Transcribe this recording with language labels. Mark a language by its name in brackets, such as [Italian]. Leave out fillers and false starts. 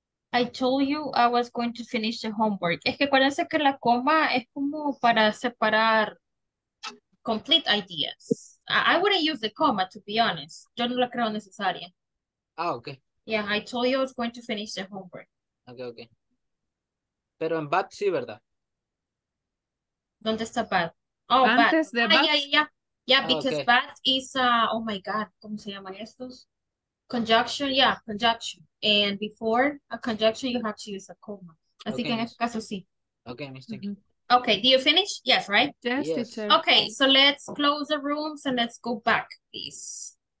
[English] I told you I was going to finish the homework. [Spanish] Es que acuérdense que la coma es como para separar [English] complete ideas. I wouldn't use the coma, to be honest. [Spanish] Yo no la creo necesaria. [English] Ah, okay. Yeah, I told you I was going to finish the homework. [Spanish] Okay. Pero en BAT sí, ¿verdad? ¿Dónde está BAT? Oh, antes [English] BAT. [Spanish] De BAT. [English] Yeah, because okay. BAT is, oh my God, [Spanish] ¿cómo se llaman estos? [English] Conjunction, yeah, conjunction. And before a conjunction, you have to use a coma. [Spanish] Así que en este caso sí. [English] Okay, Mr. Mm-hmm. Okay, do you finish? Yes, right? Yes, teacher. Okay, so let's close the rooms and let's go back, please.